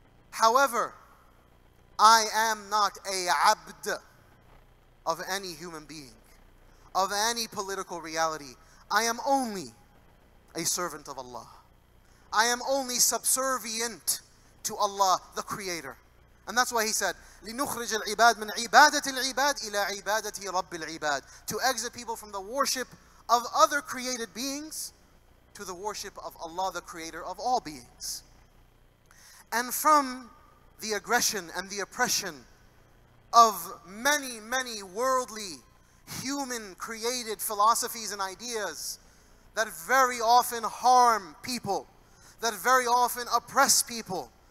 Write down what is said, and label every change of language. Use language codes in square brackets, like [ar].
[en] However, I am not a abd of any human being, of any political reality. I am only a servant of Allah. I am only subservient to Allah, the Creator. And that's why he said, [ar] لِنُخْرِجَ الْعِبَادِ مِنْ عِبَادَةِ الْعِبَادِ إِلَى عِبَادَةِ رَبِّ الْعِبَادِ. [en] To exit people from the worship of other created beings to the worship of Allah, the Creator of all beings. And from the aggression and the oppression of many, many worldly, human-created philosophies and ideas that very often harm people, that very often oppress people.